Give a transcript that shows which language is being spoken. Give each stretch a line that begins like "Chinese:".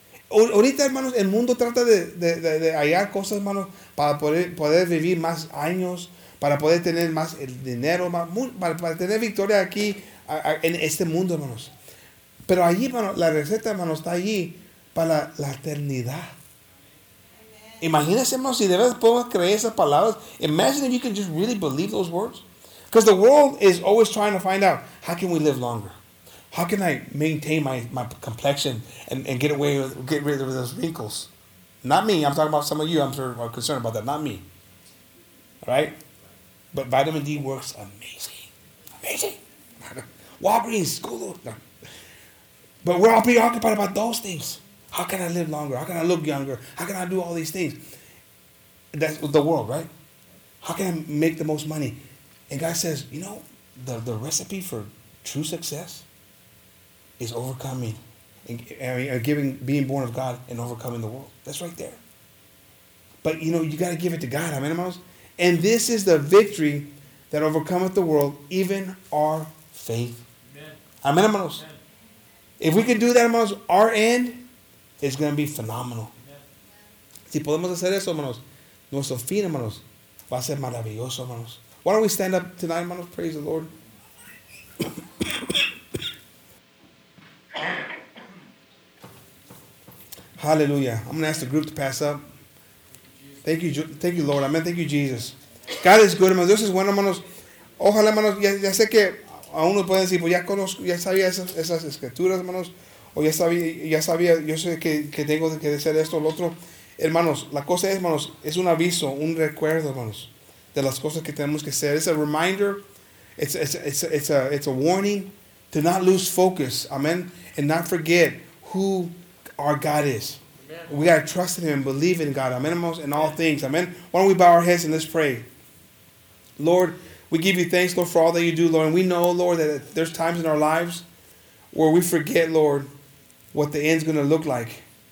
Spanish: Ahorita, hermanos, el mundo trata de hallar cosas, hermanos, para poder vivir más años, para poder tener más el dinero, para tener victoria aquí, en este mundo, hermanos. Pero allí, hermanos, la receta, hermanos, está allí para la eternidad. Imagínense, hermanos, si de verdad podemos creer esas palabras.
English: Imagine if you can just really believe those words. Because the world is always trying to find out, how can we live longer? How can I maintain my complexion and get rid of those wrinkles? Not me. I'm talking about some of you. I'm sure are concerned about that. Not me. All right? But vitamin D works amazing. Amazing. Walgreens, cool. No. But we're all preoccupied about those things. How can I live longer? How can I look younger? How can I do all these things? That's the world, right? How can I make the most money? And God says, you know, the recipe for true success is overcoming and being born of God and overcoming the world. That's right there. But, you know, you got to give it to God. Amen, hermanos? And this is the victory that overcometh the world, even our faith. Amen, hermanos? If we can do that, hermanos, our end is going to be phenomenal. Amen.
Spanish: Si podemos hacer eso, hermanos, nuestro fin, hermanos, va a ser maravilloso, hermanos.
English: Why don't we stand up tonight, hermanos? Praise the Lord. Hallelujah. I'm going to ask the group to pass up. Thank you, Lord. Amen. Thank you, Jesus. God is good, hermanos.
Spanish: Dios es bueno, hermanos. Ojalá, hermanos, ya sé que a uno pueden decir, pues ya conozco, ya sabía esas escrituras, hermanos. O ya sabía, yo sé que tengo que hacer esto o lo otro. Hermanos, la cosa es, hermanos, es un aviso, un recuerdo, hermanos, de las cosas que tenemos que hacer.
English: It's a reminder, it's a warning to not lose focus, amen, and not forget who our God is. Amen. We got to trust in Him and believe in God, amen, hermanos, in all things, amen. Why don't we bow our heads and let's pray. Lord, we give You thanks, Lord, for all that You do, Lord. And we know, Lord, that there's times in our lives where we forget, Lord, what the end's going to look like.